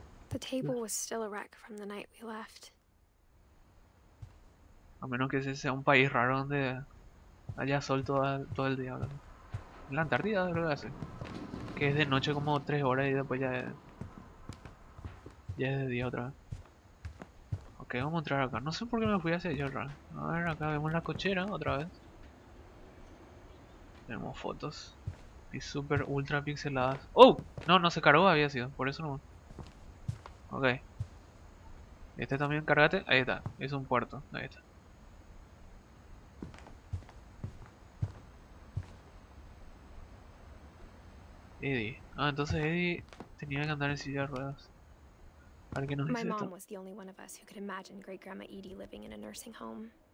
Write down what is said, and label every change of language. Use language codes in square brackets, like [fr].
[en] The table was still a wreck from the night we left. [es] A menos que ese sea un país raro donde haya sol todo el día, ¿verdad? En la Antártida, creo que hace. Que es de noche como 3 horas y después ya es. Ya es de día otra vez. Ok, vamos a entrar acá. No sé por qué me fui hacia allá otra vez. A ver, acá vemos la cochera otra vez. Tenemos fotos. Y súper ultra pixeladas. ¡Oh! No, no se cargó, había sido. Por eso no. Ok. Este también, cárgate. Ahí está. Es un puerto. Ahí está. Eddie. Ah, entonces Eddie tenía que andar en silla de ruedas. A ver qué nos [en] My [es] dice [en] mom [es] esto. [en] was the only one of us who could imagine great-grandma Edie living in a nursing home.